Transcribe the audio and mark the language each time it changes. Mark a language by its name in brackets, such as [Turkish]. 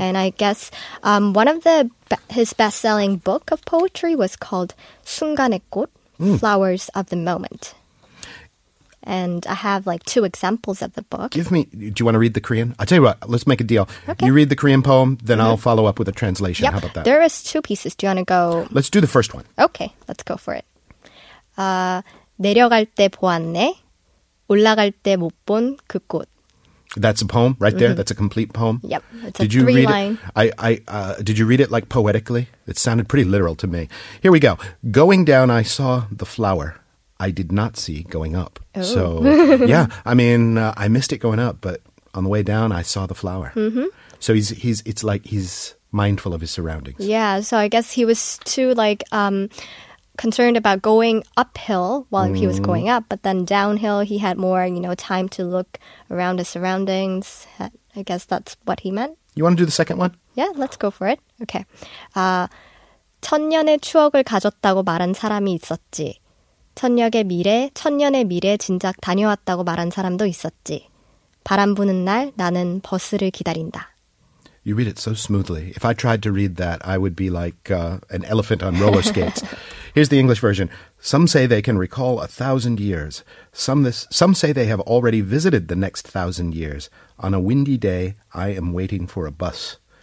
[English] And I guess one of the his best-selling book of poetry was called 순간의 꽃, Flowers of the Moment. And I have like two examples of the book. Give me, do you want to read the Korean? I'll tell you what, let's make a deal. Okay. You read the Korean poem, then I'll follow up with a translation. Yep. How about that? There is two pieces. Do you want to go? Let's do the first one. Okay, let's go for it. [Korean] 내려갈 때 보았네, 올라갈 때 못 본 그 꽃. [English] That's a poem right there? Mm-hmm. That's a complete poem? Yep, it's did a three read line. Did you read it like poetically? It sounded pretty literal to me. Here we go. Going down, I saw the flower. I did not see going up. Oh. So, yeah, I mean, I missed it going up, but on the way down, I saw the flower. Mm-hmm. So it's like he's mindful of his surroundings. Yeah, so I guess he was too, like, concerned about going uphill while he was going up, but then downhill, he had more, you know, time to look around his surroundings. I guess that's what he meant. You want to do the second one? Yeah, let's go for it. Okay. [Korean] 천년의 추억을 가졌다고 말한 사람이 있었지. 천년의 미래, 천년의 미래 진작 다녀왔다고 말한 사람도 있었지. 바람 부는 날 나는 버스를 기다린다. [English] You read it so smoothly. If I tried to read that, I would be like an elephant on roller skates. Here's the English version. Some say they can recall 1,000 years. Some say they have already visited the next 1,000 years. On a windy day, I am waiting for a bus.